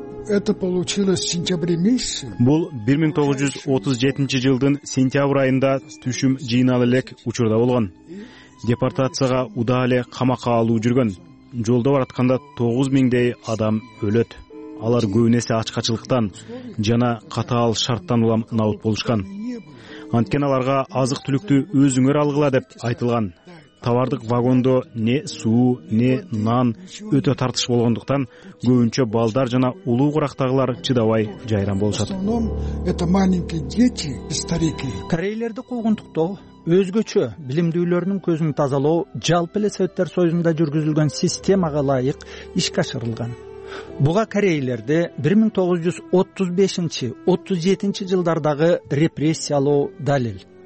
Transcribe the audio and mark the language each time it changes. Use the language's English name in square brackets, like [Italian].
[Russian] Это получилось в сентябре месяце. [Kyrgyz] Бул 1937 жылдын сентябрь айында түшүм жыйнал элек учурда болгон. Депортацияга удале камакка алуу жүргөн. Жолдо баратканда 9000дей адам өлөт. Алар көбүнесе ачкачылыктан жана катаал шарттан улам наут болушкан. Анткени аларга азык-түлүктү өзүңөр алгыла деп айтылган. Товардык вагондо не суу, не нан өтө тартыш болгондуктан көбүнчө балдар жана улуу курактагылар чыдабай жайран болушат. [Russian] Это маленькие дети, старики. [Kyrgyz] Корейлерди куугунтуктоо, өзгөчө билимдүүлөрүнүн көзүн тазалоо жалпы эле Советтер Союзунда жүргүзүлгөн системага ылайык ишке ашырылган. Буга корейлерди 1935-37 жылдардагы репрессиялоо далил.